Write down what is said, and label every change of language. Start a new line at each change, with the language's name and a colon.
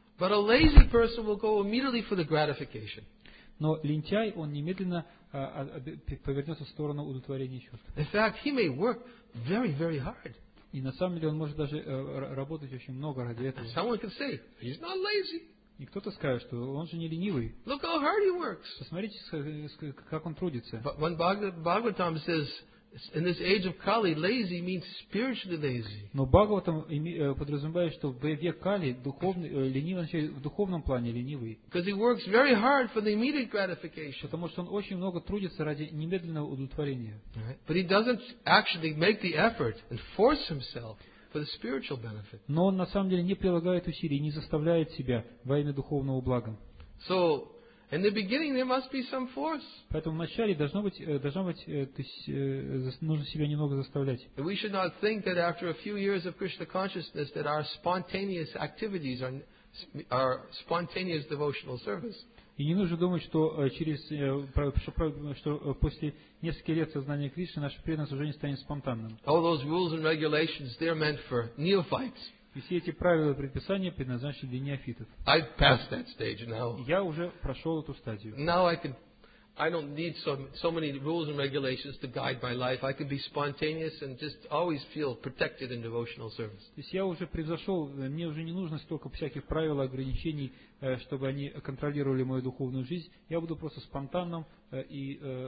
English: But a lazy person will go immediately for the gratification.
Russian: Но лентяй, он немедленно повернется в сторону удовлетворения чувств.
English: In fact, he may work very, very hard.
Russian: И на самом деле он может даже работать очень много ради этого.
English: Someone can say, he's not lazy.
Russian: И кто-то скажет, что он же не ленивый.
English: Look how hard he works.
Russian: Посмотрите, как он трудится.
English: But when Bhagavatam says, In this age of Kali, lazy means spiritually lazy.
Russian: Но Бхагаватам подразумевает, что в век Кали духовный ленивый, значит, в духовном плане ленивый.
English: Because he works very hard for the immediate gratification.
Russian: Потому что он очень много трудится ради немедленного удовлетворения.
English: But he doesn't actually make the effort and force himself for the spiritual benefit.
Russian: Но он на самом деле не прилагает усилий, не заставляет себя во имя духовного блага.
English: So in the beginning there must be some force.
Russian: Поэтому вначале должно быть, то есть нужно себя немного заставлять.
English: We should not think that after a few years of Krishna consciousness that our spontaneous activities are spontaneous devotional service.
Russian: И не нужно думать, что через что после нескольких лет сознания Кришны наше преданное служение станет спонтанным.
English: All those rules and regulations, they're meant for neophytes.
Russian: И все эти правила и предписания предназначены для неофитов.
English: I've passed that stage now.
Russian: Я уже прошел эту стадию.
English: Now I don't need so many rules and regulations to guide my life. I can be spontaneous and just always feel protected in devotional service.
Russian: То есть я уже превзошел, мне уже не нужно столько всяких правил и ограничений, чтобы они контролировали мою духовную жизнь. Я буду просто спонтанным и